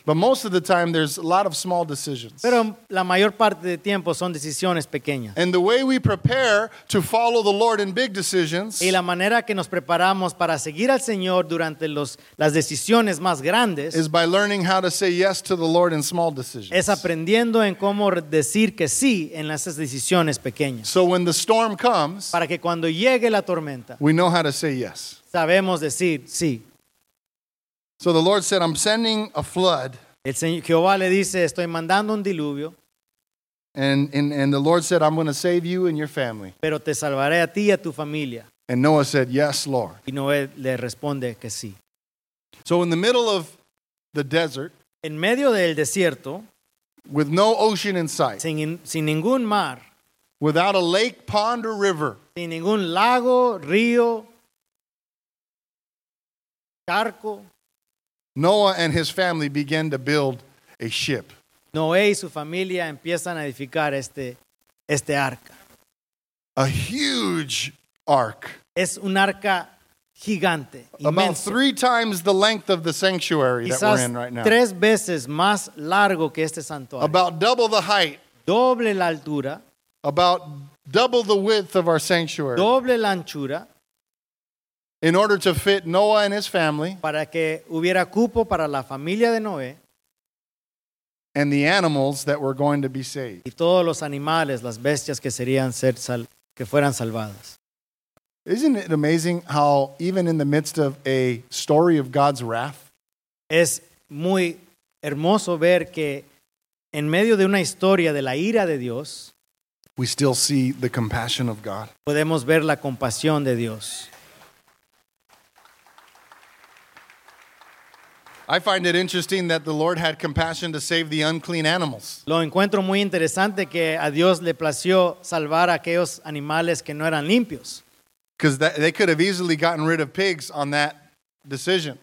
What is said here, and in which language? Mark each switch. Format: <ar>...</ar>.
<en>But most of the time, there's a lot of small decisions.</en> <es>Pero la mayor parte de tiempo son decisiones pequeñas.</es> <en>And the way we prepare to follow the Lord in big decisions.</en> <es>Y la manera que nos preparamos para seguir al Señor durante las decisiones más grandes.</es> <en>Is by learning how to say yes to the Lord in small decisions.</en> <es>Es aprendiendo en cómo decir que sí en esas decisiones pequeñas.</es> <en>So when the storm comes,</en> <es>para que cuando llegue la tormenta,</es> <en>we know how to say yes.</en> <es>Sabemos decir sí.</es> <en>So the Lord said, I'm sending a flood.</en> <es>El Señor Jehová le dice, estoy mandando un diluvio.</es> <en>And the Lord said, I'm going to save you and your family.</en> <es>Pero te salvaré a ti y a tu familia.</es> <en>And Noah said, yes, Lord.</en> <es>Y Noé le responde que sí.</es> <en>So in the middle of the desert,</en> <es>en medio del desierto,</es> <en>with no ocean in sight.</en> <es>Sin ningún mar.</es> <en>Without a lake, pond, or river.</en> <es>Sin ningún lago, río, charco.</es> <en>Noah and his family began to build a ship.</en> <es>Noé y su familia empiezan a edificar este arca.</es> <en>A huge ark.</en> <es>Es un arca gigante,</es> <en>about</en> <es>inmenso.</es> <en>Three times the length of the sanctuary</en> <es>quizás</es> <en>that we're in right now.</en> <es>Tres veces más largo que este santuario.</es> <en>About double the height.</en> <es>Doble la altura.</es> <en>About double the width of our sanctuary.</en> <es>Doble la anchura.</es> <en>In order to fit Noah and his family.</en> <es>Para que hubiera cupo para la familia de Noé.</es> <en>And the animals that were going to be saved.</en> <es>Y todos los animales, las bestias que serían ser sal, que fueran salvadas.</es> <en>Isn't it amazing how even in the midst of a story of God's wrath?</en> <es>Es muy hermoso ver que en medio de una historia de la ira de Dios,</es> <en>we still see the compassion of God.</en> <es>Podemos ver la compasión de Dios.</es> <en>I find it interesting that the Lord had compassion to save the unclean animals.</en> <es>Lo encuentro muy interesante que a Dios le plació salvar a aquellos animales que no eran limpios.</es> <en>Because they could have easily gotten rid of pigs on that decision.</en>